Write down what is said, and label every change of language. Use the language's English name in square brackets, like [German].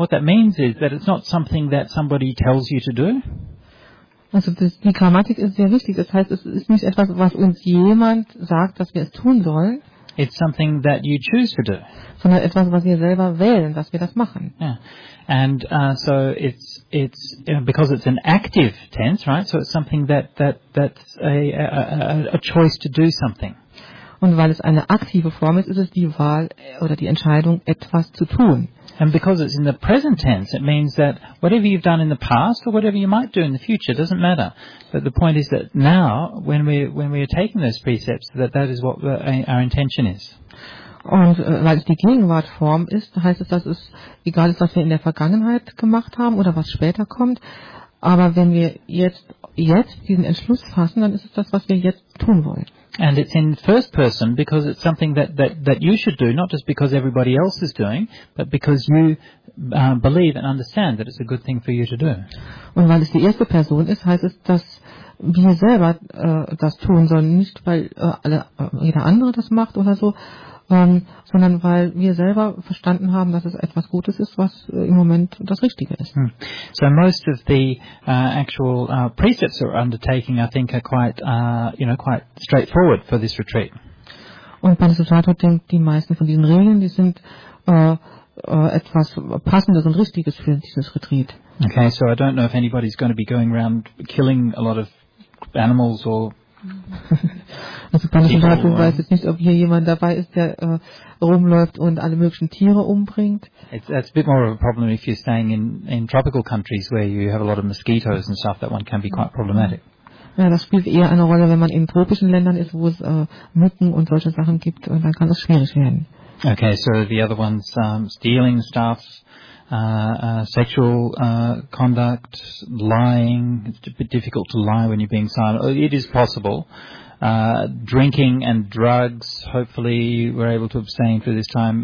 [English] What that means is that it's not something that somebody tells you to do. [German] Also die Grammatik ist sehr wichtig. Das heißt, es ist nicht etwas, was uns jemand sagt, dass wir es tun sollen. [English] It's something that you choose to do. [German] Sondern etwas, was wir selber wählen, dass wir das machen. [English] Yeah. And so it's you know, because it's an active tense, right? So it's something that's a choice to do something. [German] Und weil es eine aktive Form ist, ist es die Wahl oder die Entscheidung, etwas zu tun. [English] And because it's in the present tense, it means that whatever you've done in the past or whatever you might do in the future doesn't matter. But the point is that now, when we are taking those precepts, that is what our intention is. [German] Und weil es die Gegenwartform ist, heißt es, dass es egal ist, was wir in der Vergangenheit gemacht haben oder was später kommt. Aber wenn wir jetzt diesen Entschluss fassen, dann ist es das, was wir jetzt tun wollen. [English] And it's in first person because it's something that you should do, not just because everybody else is doing, but because you believe and understand that it's a good thing for you to do. [German] Und weil es die erste Person ist, heißt es, dass wir selber das tun sollen, nicht weil jeder andere das macht oder so, sondern weil wir selber verstanden haben, dass es etwas Gutes ist, was im Moment das Richtige ist. Hmm. [English] So most of the actual precepts we're undertaking, I think, are quite, you know, quite straightforward for this retreat. [German] Und Panasusato denkt, die meisten von diesen Regeln, die sind etwas Passendes und Richtiges für dieses Retreat. [English] Okay, so I don't know if anybody's going to be going around killing a lot of animals or... [German] Also Panasusato weiß jetzt nicht, ob hier jemand dabei ist, der rumläuft und alle möglichen Tiere umbringt. [English] It's a bit more of a problem if you're staying in tropical countries where you have a lot of mosquitoes and stuff. That one can be quite problematic. [German] Ja, das spielt eher eine Rolle, wenn man in tropischen Ländern ist, wo es Mücken und solche Sachen gibt, und dann kann das schwierig werden. [English] Okay, so the other ones, stealing stuff, sexual conduct, lying. It's a bit difficult to lie when you're being silent. It is possible. Drinking and drugs, hopefully we're able to abstain for this time.